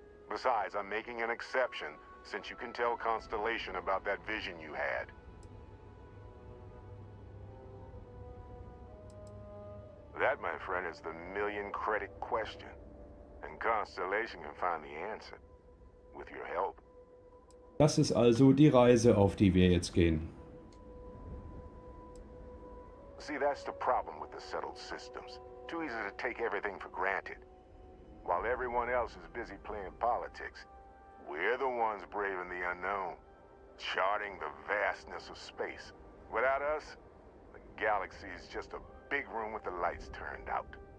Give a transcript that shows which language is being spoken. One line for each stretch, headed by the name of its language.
English: Besides, I'm making an exception, since you can tell Constellation about that vision you had. That, my friend, is the million credit question. And Constellation can find the answer with your help.
German: Das ist also die Reise, auf die wir jetzt gehen.
English: See, that's the problem with the settled systems. Too easy to take everything for granted. While everyone else is busy playing politics, we're the ones braving the unknown, charting the vastness of space. Without us, the galaxy is just a big room with the lights turned out.